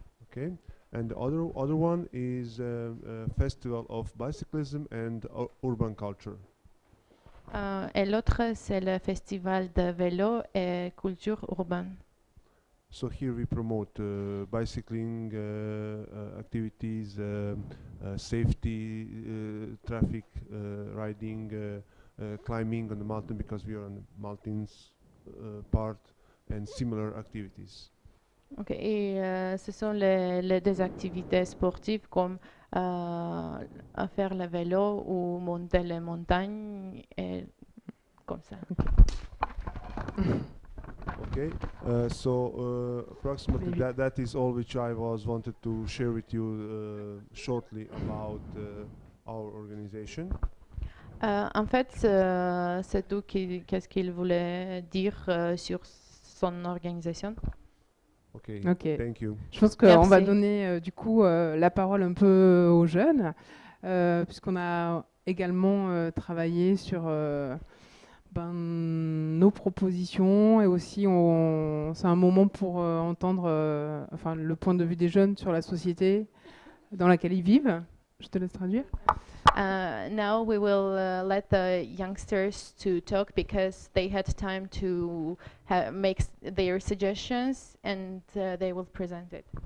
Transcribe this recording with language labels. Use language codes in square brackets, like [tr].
[en] Okay, and the other one is a festival of bicyclism and urban culture. [fr] Et l'autre, c'est le festival de vélo et culture urbaine. [en] So here we promote bicycling activities, safety, traffic, riding, climbing on the mountain because we are on the mountains part, and similar activities. [fr] Ok, et ce sont les deux activités sportives comme faire le vélo ou monter les montagnes et comme ça. [en] Okay, so approximately that is all which I was wanted to share with you shortly about our organization. [fr] En fait, c'est tout qu'est-ce qu'il voulait dire sur son organisation. [en] Ok, thank you. [fr] Je pense qu'on va donner du coup la parole un peu aux jeunes, puisqu'on a également travaillé sur nos propositions et aussi c'est un moment pour entendre le point de vue des jeunes sur la société dans laquelle ils vivent. Je te laisse traduire. [en] Now we will let the youngsters to talk because they had time to make their suggestions and they will present it.